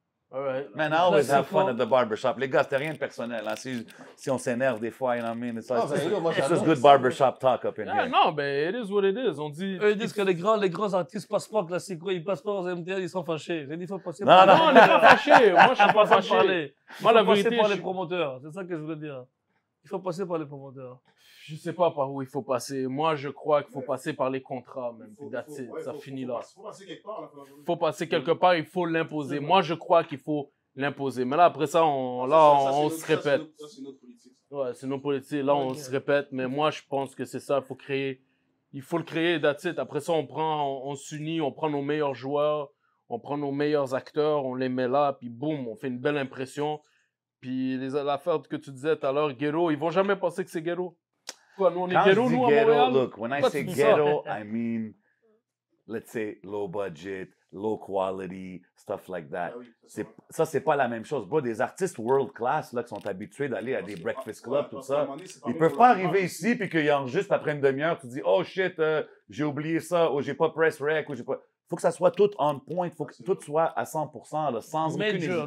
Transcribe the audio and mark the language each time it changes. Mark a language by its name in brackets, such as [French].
[English] All right. Man, I always have fun at the barbershop. [French] Les gars, c'était rien de personnel. [English] Hein. [French] Si on s'énerve des fois, [English] you know what I mean? It's just good barbershop talk up in here. [French] Non, mais [English] it is what it is. [French] On dit. Eux, ils disent que les grands artistes passent pas classique. Ils passent pas aux MTL, ils sont fâchés. J'ai dit, faut passer. Non, on n'est pas fâchés. Moi, je suis pas fâché. Moi, la vérité, c'est par les promoteurs. C'est ça que je veux dire. Il faut passer par les promoteurs. Je sais pas par où il faut passer. Moi, je crois qu'il faut passer par les contrats, même. Ça finit là. Il faut passer quelque part. Il faut passer quelque part, il faut l'imposer. Moi, je crois qu'il faut l'imposer. Mais là, après ça, on se répète. C'est notre politique. Là, okay. On se répète. Mais moi, je pense que c'est ça. Il faut créer. Il faut le créer, that's it. Après ça, on s'unit, on prend nos meilleurs joueurs, on prend nos meilleurs acteurs, on les met là, puis boum, on fait une belle impression. Puis l'affaire que tu disais tout à l'heure, Ghetto, ils vont jamais penser que c'est Ghetto. [English] When I say ghetto, I mean, let's say, low budget, low quality, stuff like that. [French] Ça, c'est pas la même chose. Bro, des artistes world class, là, qui sont habitués d'aller à des breakfast clubs, tout ça, ils peuvent pas arriver ici, puis qu'ils ont juste après une demi-heure, tu dis, oh shit, j'ai oublié ça, ou j'ai pas press rec, ou j'ai pas... Faut que ça soit tout on point, faut que tout soit à 100%, là, sans aucune hésitation.